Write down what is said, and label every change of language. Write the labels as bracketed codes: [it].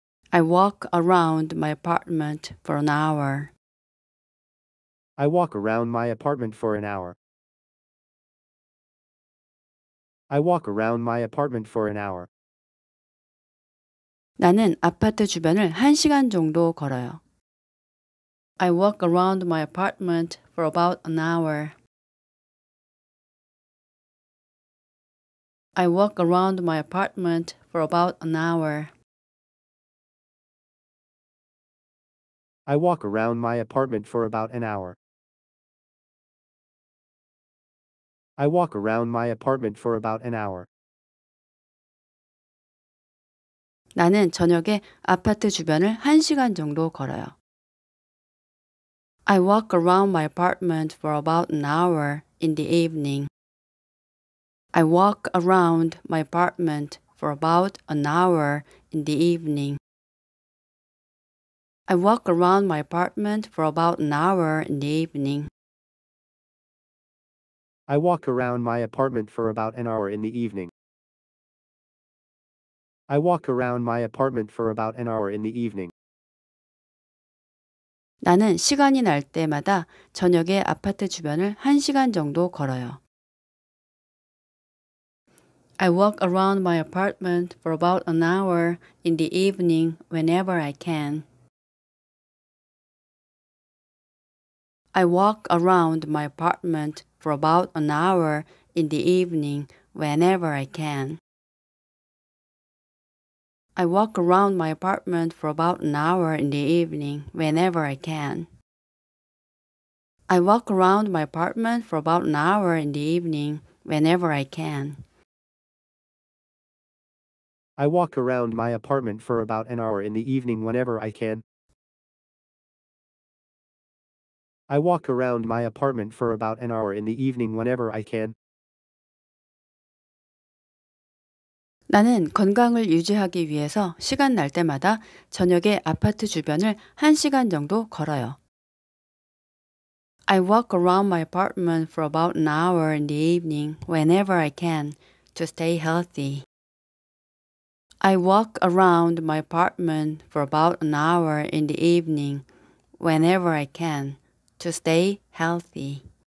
[en] I walk around my apartment for an hour. I walk around my apartment for an hour. I walk around my apartment for an hour. [ko] 나는 아파트 주변을 한 시간 정도 걸어요. [en] I walk around my apartment for about an hour. I walk around my apartment for about an hour. I walk around my apartment for about an hour. I walk around my apartment for about an hour. [ko] 나는 저녁에 아파트 주변을 1시간 정도 걸어요. [en] I walk around my apartment for about an hour in the evening. I walk around my apartment for about an hour in the evening. I walk around my apartment for about an hour in the evening. I walk around my apartment for about an hour in the evening. I walk around my apartment for about an hour in the evening. [ko] 나는 시간이 날 때마다 저녁에 아파트 주변을 1시간 정도 걸어요. [en] I walk around my apartment for about an hour in the evening whenever I can. I walk around my apartment for about an hour in the evening whenever I can. I walk around my apartment for about an hour in the evening whenever I can. I walk around my apartment for about an hour in the evening whenever I can. I walk around my apartment for about an hour in the evening whenever I can. I walk around my apartment for about an hour in the evening whenever I can. [ko] 나는 건강을 유지하기 위해서 시간 날 때마다 저녁에 아파트 주변을 1시간 정도 걸어요. [en] I walk around my apartment for about an hour in the evening whenever I can to stay healthy. I walk around my apartment for about an hour in the evening whenever I can to stay healthy.